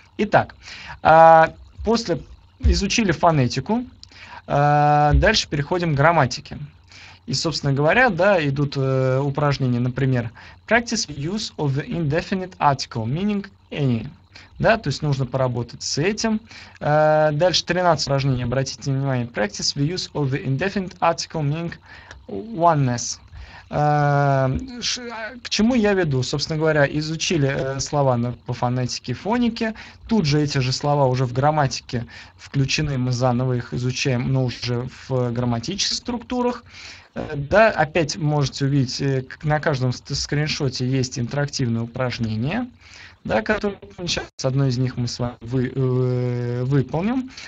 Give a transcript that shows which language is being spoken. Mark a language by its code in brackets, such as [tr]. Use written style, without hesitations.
[ru] Итак, после изучили фонетику, дальше переходим к грамматике. И, собственно говоря, да, идут упражнения, например, [en] practice use of the indefinite article, meaning any. [ru] Да, то есть нужно поработать с этим. Дальше 13 упражнений, обратите внимание, [en] practice the use of the indefinite article, meaning oneness. [ru] К чему я веду? Собственно говоря, изучили слова по фонетике и фонике. Тут же эти же слова уже в грамматике включены, мы заново их изучаем, но уже в грамматических структурах. Да, опять можете увидеть, на каждом скриншоте есть интерактивные упражнения, да, которые сейчас одно из них мы с вами выполним.